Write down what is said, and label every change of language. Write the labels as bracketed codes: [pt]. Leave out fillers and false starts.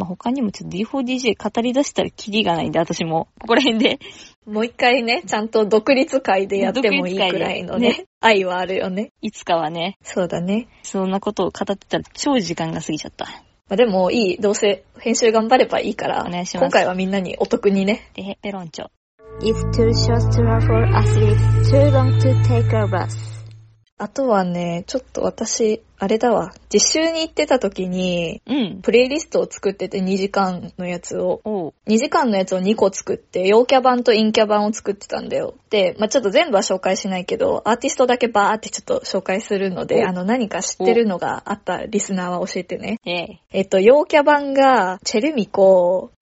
[ja] まあ、他にもちょっと D4DJ 語り出したらキリがないんで、私もここら辺でもう一回ね、ちゃんと独立会でやってもいいくらいの ね、愛はあるよね、いつかはね。そうだね、そんなことを語ってたら超時間が過ぎちゃった。まあ、でもいい、どうせ編集頑張ればいいから、お願いします。今回はみんなにお得にね。でへペロンチョ。 [en] It's too short to run for athletes, too long to take a bus。 [ja] あとはね、ちょっと私あれだわ、実習に行ってた時に、うん、プレイリストを作ってて、2時間のやつを、おう、 2時間のやつを2個作って、陽キャ版と陰キャ版を作ってたんだよ。で、まあ、ちょっと全部は紹介しないけど、アーティストだけバーってちょっと紹介するので、あの何か知ってるのがあったリスナーは教えてね。陽キャ版がチェルミコ、